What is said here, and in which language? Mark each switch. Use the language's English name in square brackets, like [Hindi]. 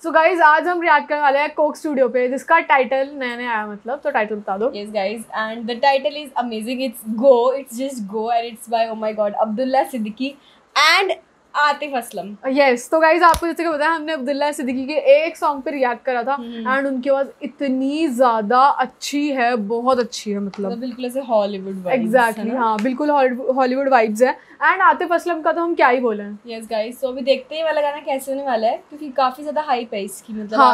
[English] So guys, [Hindi] आज हम react करने वाले हैं Coke Studio पे, जिसका title नया नया आया मतलब, तो title बता दो. [English] Yes guys, and the title is amazing. It's Go, it's just Go, and it's by oh my God, Abdullah Siddiqui and Atif Aslam. [Hindi] Yes, तो guys आपको जैसे कि बताया हमने अब्दुल्ला सिद्दीकी के एक song पे react करा था and उनकी आवाज इतनी ज़्यादा अच्छी है, बहुत अच्छी है मतलब. बिल्कुल ऐसे Hollywood vibes. Exactly, हाँ बिल्कुल Hollywood vibes है. एंड आतिफ असलम का तो हम क्या ही बोलें. [English] yes guys, [Hindi] सो अभी देखते हैं वाला गाना कैसे होने वाला है, क्योंकि काफी ज्यादा हाइप है इसकी मतलब. हाँ.